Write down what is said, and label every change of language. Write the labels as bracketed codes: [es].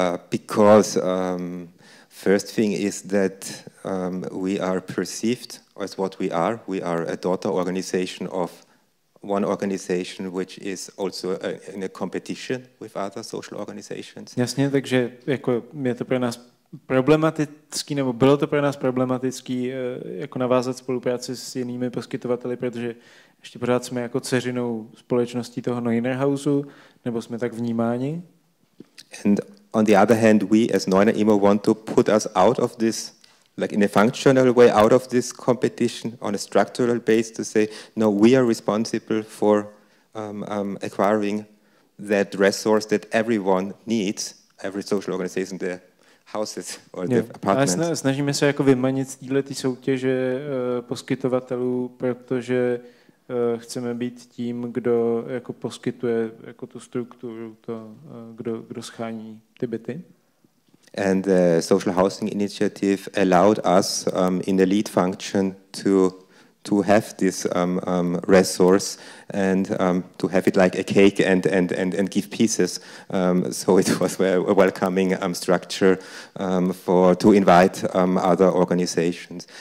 [en] Because first thing is that we are perceived as what we are. We are a daughter organization of one organization, which is also in a competition with other social organizations. [cs] Jasně, takže jako je to pro nás problematický, nebo bylo to pro nás problematický jako navázat spolupráci s jinými poskytovateli, protože ještě pořád jsme jako dceřinou společností toho Neuner Houseu, nebo jsme tak vnímáni. [en] On the other hand, we as Neuner Immo want to put us out of this, like in a functional way, out of this competition on a structural base to say, no, we are responsible for acquiring that resource that everyone needs, every social organization, the houses or the apartments. [cs] Snažíme se jako vymanit z této soutěže poskytovatelů, protože chceme být tím, kdo jako poskytuje jako tu strukturu, to kdo schání ty byty. [en] And the Social Housing Initiative allowed us in the lead function to have this resource and to have it like a cake and give pieces. So it was a welcoming structure to invite other organizations.